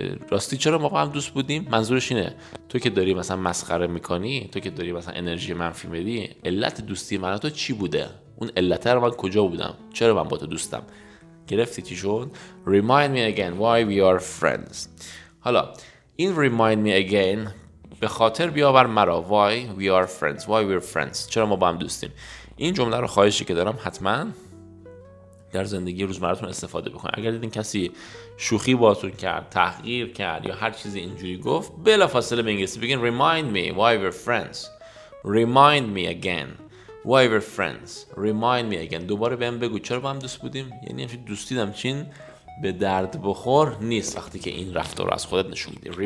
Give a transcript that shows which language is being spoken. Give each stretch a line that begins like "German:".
Persian: راستی چرا ما با هم دوست بودیم منظورش اینه تو که داری مثلا مسخره میکنی تو که داری مثلا انرژی منفی میدی علت دوستی من تو چی بوده اون علت رو من کجا بودم چرا من با تو دوستم گرفتی چی شد
English: Remind me again Why we are friends
Persian: حالا این
English: Remind me again
Persian: به خاطر بیاور مرا
English: Why we are friends
Persian: Why we are friends چرا ما با هم دوستیم این جمله رو خواهشی که دارم حتماً در زندگی روزمرتون استفاده بکنید. اگر دیدین کسی شوخی باهاتون کرد، تحقیر کرد یا هر چیزی اینجوری گفت، بلافاصله به انگلیسی بگین
English: remind me why we're friends. Remind me again why we're friends. Remind me again.
Persian: دوباره بهم بگو چرا با هم دوست بودیم؟ یعنی همش دوستیدم چین به درد بخور نیست وقتی که این رفتار رو از خودت نشون میدی.